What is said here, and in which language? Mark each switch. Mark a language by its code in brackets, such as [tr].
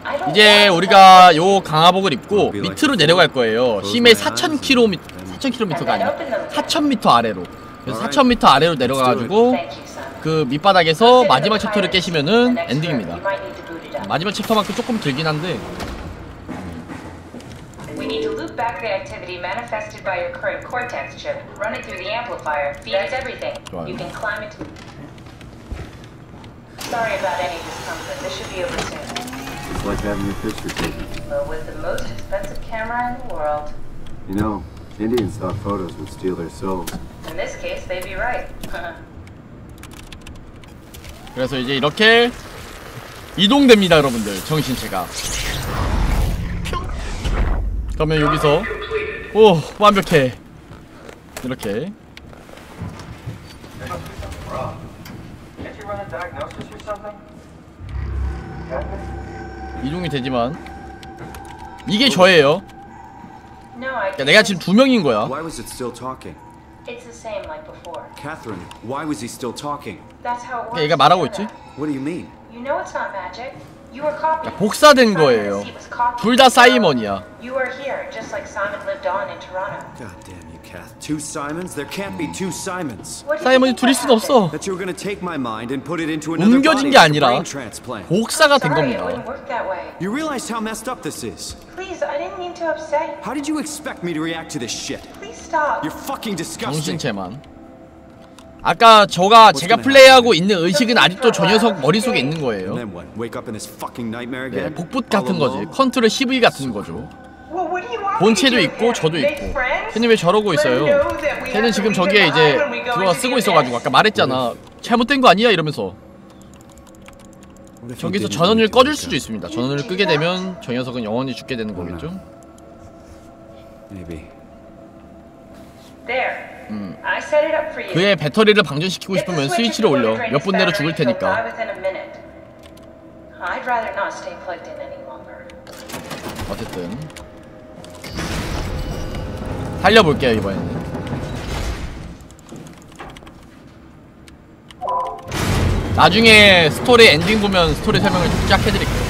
[ko] 이제 우리가 요 강화복을 입고 밑으로 내려갈 거예요. 힘의 4000km가 아니라 4000m 아래로. 그래서 4000m 아래로 내려가 가지고 그 밑바닥에서 마지막 챕터를 깨시면은 엔딩입니다. 마지막 챕터만큼 조금 길긴 한데. [en] We need to loop back the activity manifested by your current cortex chip. Run it through the amplifier. Feeds everything. You can climb it. Sorry about any discomfort. This should be over soon. It's like having your picture taken. But with the most expensive camera in the world. You know, Indians thought photos would steal their souls. In this case, they'd be right. [ko] 그래서 이제 이렇게 이동됩니다, 여러분들. 정신체가. 그러면 여기서 오, 완벽해. 이렇게. 이동이 되지만 이게 저예요. 그러니까 내가 지금 두 명인 거야. [en] Why was it still talking? It's the same like before. Catherine, why was he still talking? That's how it works. [ko] 얘가 말하고 있지? [en] What do you mean? You know it's not magic. You were copying. [ko] 복사된 거예요. 둘 다 사이먼이야. [en] You are here, just like Simon lived on in Toronto. God damn you, Kath. Two Simons? There can't be two Simons. [ko] 사이먼이 둘일 순 없어. [en] That you're gonna take my mind and put it into another. [ko] 옮겨진 게 아니라 복사가 된 겁니다. [en] You realize how messed up this is? Please, I didn't mean to upset. How did you expect me to react to this shit? You're fucking disgusting. [ko] 정신체만. 아까 저가 제가 플레이하고 있는 의식은 아직도 저 녀석 머릿속에 있는 거예요. 네, 복붙 같은 거지. 컨트롤 CV 같은 거죠. 본체도 있고 저도 있고. 캐니 왜 저러고 있어요? 캐는 지금 저기에 이제 그거 쓰고 있어가지고 아까 말했잖아. 잘못된 거 아니야? 이러면서. 저기서 전원을 꺼줄 수도 있습니다. 전원을 끄게 되면 저 녀석은 영원히 죽게 되는 거겠죠? [en] Maybe. There. I set it up for you. [ko] 그의 배터리를 방전시키고 싶으면 스위치를 올려. 몇 분 내로 죽을 테니까. [en] I'd rather not stay plugged in any longer. [ko] 어쨌든 살려볼게요 이번에는. 나중에 스토리 엔딩 보면 스토리 설명을 쫙 해드릴게요.